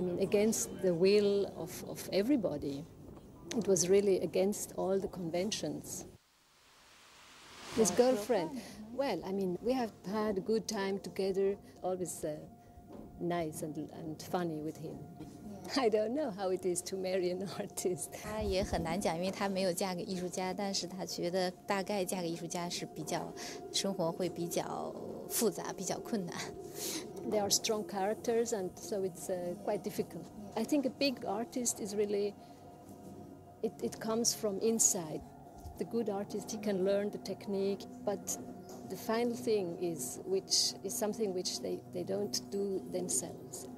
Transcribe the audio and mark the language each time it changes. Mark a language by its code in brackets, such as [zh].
[en] I mean, against the will of everybody. It was really against all the conventions. His girlfriend. Well, I mean, we have had a good time together, always nice and funny with him. I don't know how it is to marry an artist. [zh] 她也很难讲，因为她没有嫁给艺术家，但是她觉得大概嫁给艺术家是比较生活会比较复杂，比较困难。 [en] They are strong characters, and so it's quite difficult. I think a big artist is really it comes from inside. The good artist, he can learn the technique, but the final thing is something which they don't do themselves.